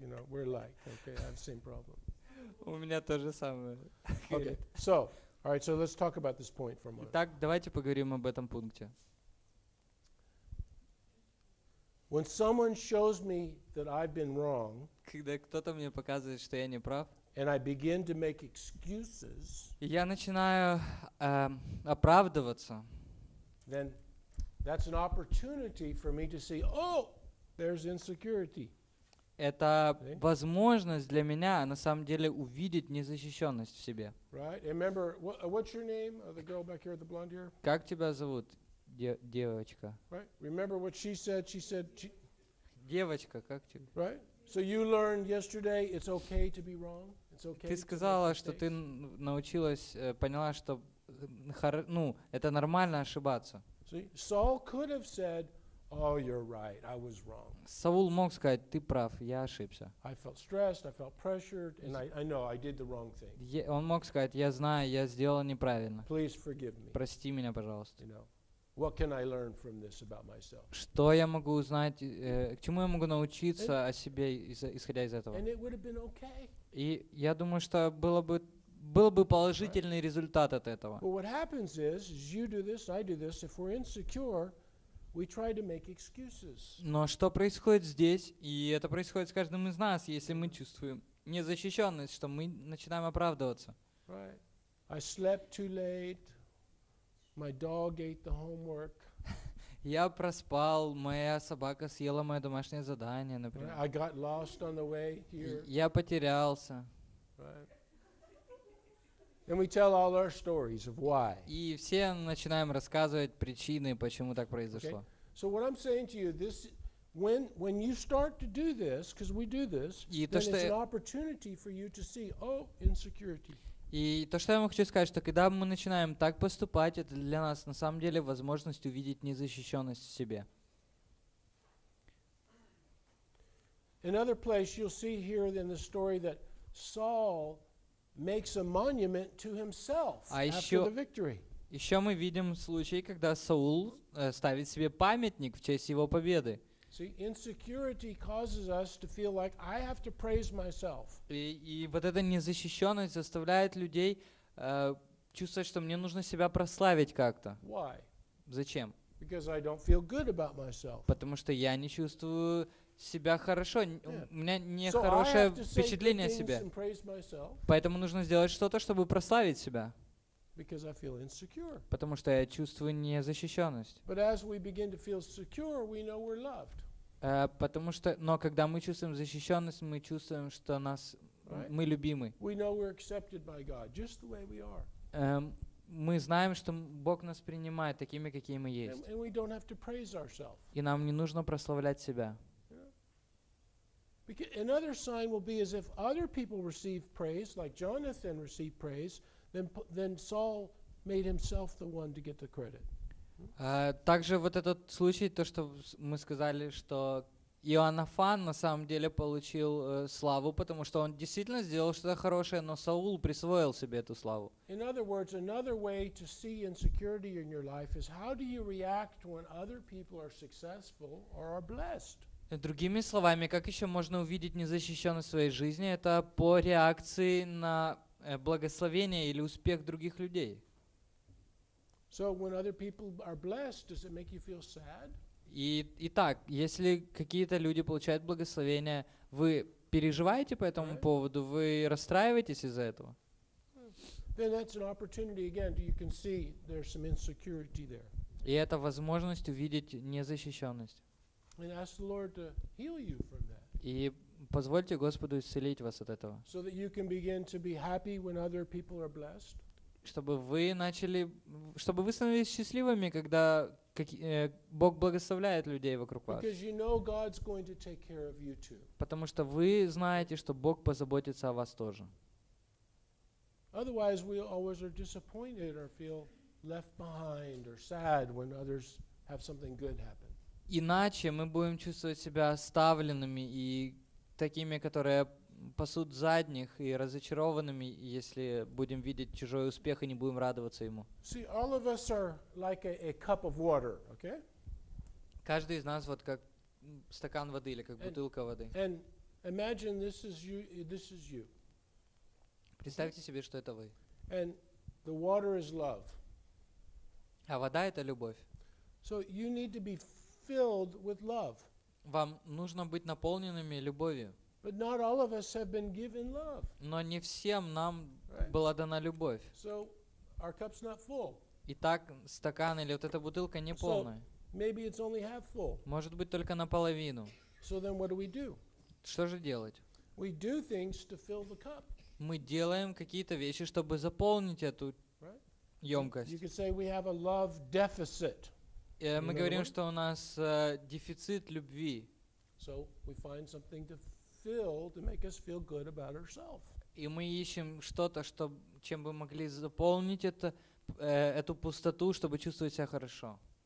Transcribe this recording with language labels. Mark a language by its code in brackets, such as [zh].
[en] We're alike, okay? I have the same problem. [ru] У меня то же самое. [en] Okay, so, all right, so let's talk about this point for a moment. [ru] Итак, давайте поговорим об этом пункте. [en] When someone shows me that I've been wrong, [ru] когда кто-то мне показывает, что я не прав, [en] and I begin to make excuses, [ru] я начинаю оправдываться, [en] then that's an opportunity for me to see, oh, there's insecurity. [ru] Это возможность для меня, на самом деле, увидеть незащищенность в себе. [en] Right. And remember, what's your name, the girl back here, the blonde here? [ru] Как тебя зовут, девочка? [en] Right. Remember what she said? She said. [ru] Девочка, как тебя? [en] Right. So you learned yesterday it's okay to be wrong. It's okay. [ru] Ты сказала, что ты научилась, поняла, что ну это нормально ошибаться. [en] See, Saul could have said. Oh, you're right. I was wrong. [ru] Саул мог сказать, ты прав, я ошибся. [en] I felt stressed, I felt pressured, and I know I did the wrong thing. [ru] Он мог сказать, я знаю, я сделал неправильно. [en] Please forgive me. [ru] Прости меня, пожалуйста. [en] You know, what can I learn from this about myself? [ru] Что я могу узнать, к чему я могу научиться о себе, исходя из этого? [en] And it would have been okay. [ru] И я думаю, что было бы был бы положительный результат от этого. [en] But what happens is you do this, I do this, if we're insecure, we try to make excuses. [ru] Но что происходит здесь, и это происходит с каждым из нас, если мы чувствуем незащищенность, что мы начинаем оправдываться. [en] Right. I slept too late. My dog ate the homework. [ru] Я проспал, моя собака съела мое домашнее задание, например. [en] I got lost on the way here. [ru] Я потерялся. [en] Right. And we tell all our stories of why. [ru] И все начинаем рассказывать причины, почему так произошло. [en] Okay. So what I'm saying to you, this when you start то, then it's an opportunity for you to see, oh, insecurity. [ru] И то, что я вам хочу сказать, что когда мы начинаем так поступать, это для нас на самом деле возможность увидеть незащищенность в себе. [en] Another place you'll see here in the story that Saul makes a monument to himself after the victory. [ru] Еще мы видим случай, когда Саул ставит себе памятник в честь его победы. [en] See, insecurity causes us to feel like I have to praise myself. [ru] И вот эта незащищенность заставляет людей чувствовать, что мне нужно себя прославить как-то. [en] Why? [ru] Зачем? [en] Because I don't feel good about myself. [ru] Потому что я не чувствую себя хорошо. [en] Yeah. [ru] У меня нехорошее впечатление о себе. Поэтому нужно сделать что-то, чтобы прославить себя. [en] Because I feel insecure. [ru] Потому что я чувствую незащищенность. [en] But as we begin to feel secure, we know we're loved. [ru] Потому что, но когда мы чувствуем защищенность, мы чувствуем, что нас, мы любимы. [en] We know we're accepted by God, just the way we are. [ru] Мы знаем, что Бог нас принимает такими, какие мы есть. [en] And we don't have to praise ourselves. [ru] И нам не нужно прославлять себя. [en] Because another sign will be as if other people receive praise, like Jonathan received praise, then Saul made himself the one to get the credit. [ru] Также вот этот случай, то, что мы сказали, что Иоаннафан на самом деле получил славу, потому что он действительно сделал что-то хорошее, но Саул присвоил себе эту славу. [en] In other words, another way to see insecurity in your life is how do you react when other people are successful or are blessed? [ru] Другими словами, как еще можно увидеть незащищенность в своей жизни? Это по реакции на благословение или успех других людей. [en] So when other people are blessed, does it make you feel sad? [ru] Итак, если какие-то люди получают благословение, вы переживаете по этому поводу, вы расстраиваетесь из-за этого? [en] Then that's an opportunity again. You can see there's some insecurity there. [ru] И это возможность увидеть незащищенность. [en] And ask the Lord to heal you from that. [ru] И позвольте Господу исцелить вас от этого. [en] So that you can begin to be happy when other people are blessed. [ru] Чтобы вы становились счастливыми, когда Бог благословляет людей вокруг вас. [en] Because you know God's going to take care of you too. [ru] Потому что вы знаете, что Бог позаботится о вас тоже. [en] Otherwise, we always are disappointed or feel left behind or sad when others have something good happen. [ru] Иначе мы будем чувствовать себя оставленными и такими, которые пасут задних, и разочарованными, если будем видеть чужой успех и не будем радоваться ему. [en] See, all of us are like a cup of water, okay? [ru] Каждый из нас вот как стакан воды или как бутылка воды. [en] And imagine this is you. [ru] Представьте себе, что это вы. [en] And the water is love. [ru] А вода — это любовь. [en] So you need to be filled with love. [ru] Вам нужно быть наполненными любовью. [en] But not all of us have been given love. [ru] Но не всем нам была дана любовь. [en] So our cup's not full. [ru] Итак, стакан или вот эта бутылка не полная. [en] So maybe it's only half full. [ru] Может быть только наполовину. [en] So then what do we do? [ru] Что же делать? [en] We do things to fill the cup. [ru] Мы делаем какие-то вещи, чтобы заполнить эту ёмкость. [en] You could say we have a love deficit. [ru] Мы говорим, что у нас дефицит любви. [en] So we find something to fill to make us feel good about ourselves. [ru] И мы ищем что-то, чем бы могли заполнить эту пустоту, чтобы чувствовать себя хорошо.